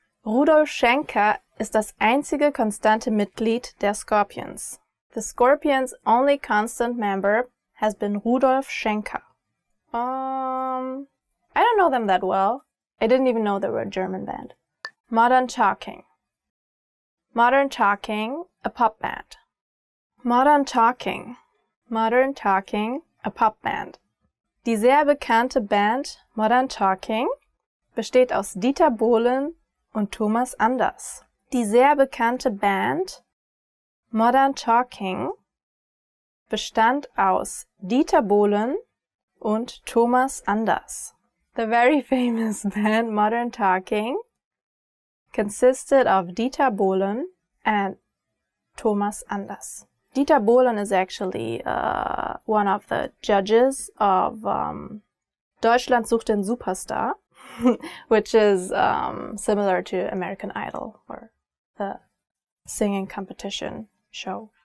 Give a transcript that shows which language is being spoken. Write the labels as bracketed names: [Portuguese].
[German] Rudolf Schenker ist das einzige konstante Mitglied der Scorpions. [English] The Scorpions' only constant member has been Rudolf Schenker. I don't know them that well. I didn't even know they were a German band. Modern Talking. Modern Talking, a pop band. Modern Talking. Modern Talking, a pop band. [German] Die sehr bekannte Band Modern Talking besteht aus Dieter Bohlen und Thomas Anders. Die sehr bekannte Band Modern Talking bestand aus Dieter Bohlen und Thomas Anders. [English] The very famous band Modern Talking consisted of Dieter Bohlen and Thomas Anders. Dieter Bohlen is actually one of the judges of Deutschland sucht den Superstar, which is similar to American Idol or the singing competition show.